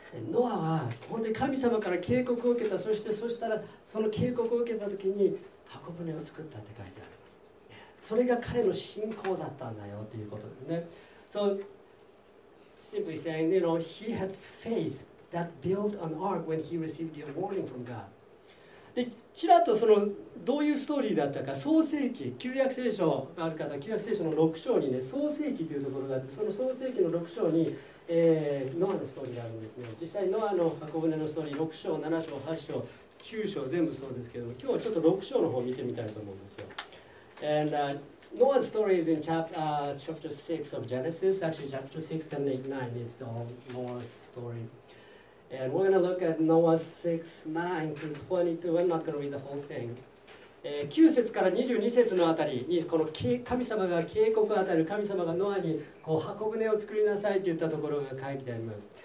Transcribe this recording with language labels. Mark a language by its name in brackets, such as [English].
[Japanese] ノアは本当に神様から警告を受けた、そしてそしたらその警告を受けた時に箱舟を作ったって書いてある。それが彼の信仰だったんだよということですね。 [English] So simply saying, you know, he had faith that built an ark when he received the warning from God. [Japanese] でちらっとそのどういうストーリーだったか、創世記、旧約聖書がある方、旧約聖書の6章にね、創世記というところがあって、その創世記の6章にノアのストーリーがあるんですね。実際ノアの箱舟のストーリー6章7章8章9章全部そうですけども、今日はちょっと6章の方を見てみたいと思うんですよ。 [English] And Noah's story is in chapter 6 of Genesis. Actually chapter 6 and 8 9 is the Noah's story. And we're going to look at Noah 6 9 to 22. I'm not going to read the whole thing. [Japanese] 9節から22節のあたりに、この神様が警告を与える、神様がノアにこう箱舟を作りなさいと言ったところが書いてあります。